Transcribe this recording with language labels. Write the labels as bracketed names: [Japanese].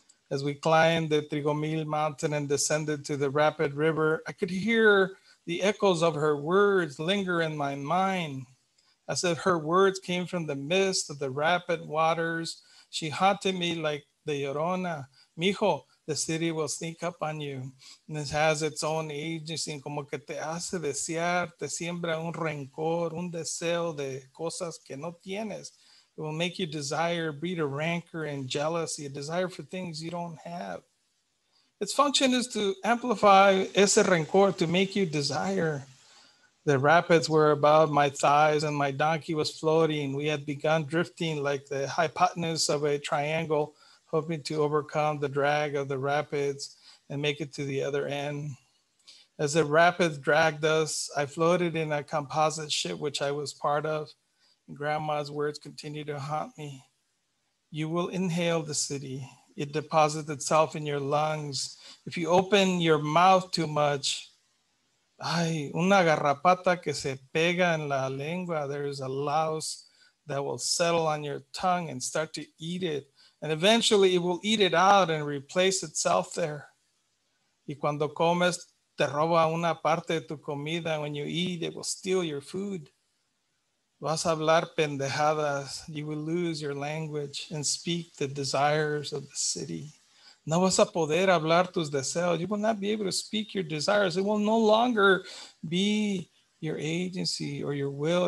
[English] As we climbed the Trigomil mountain and descended to the rapid river, I could hear the echoes of her words linger in my mind. As if her words came from the mist of the rapid waters, she haunted me like the Llorona. Mijo, the city will sneak up on you. And this has its own agency. [Spanish] Como que te hace desear, te siembra un rencor, un deseo de cosas que no tienes. [English] It will make you desire, breed a rancor and jealousy, a desire for things you don't have. Its function is to amplify [Spanish] ese rencor, [English] to make you desire. The rapids were above my thighs and my donkey was floating. We had begun drifting like the hypotenuse of a triangle, hoping to overcome the drag of the rapids and make it to the other end. As the rapids dragged us, I floated in a composite ship, which I was part of. And Grandma's words continued to haunt me. You will inhale the city. It deposits itself in your lungs. If you open your mouth too much, [Spanish] ay, una garrapata que se pega en la lengua. [English] There is a louse that will settle on your tongue and start to eat it. And eventually it will eat it out and replace itself there. [Spanish] Y cuando comes, te roba una parte de tu comida. [English] When you eat, it will steal your food. [Spanish] Vas a hablar pendejadas. [English] You will lose your language and speak the desires of the city. [Spanish] No vas a poder hablar tus deseos. [English] You will not be able to speak your desires. It will no longer be your agency or your will.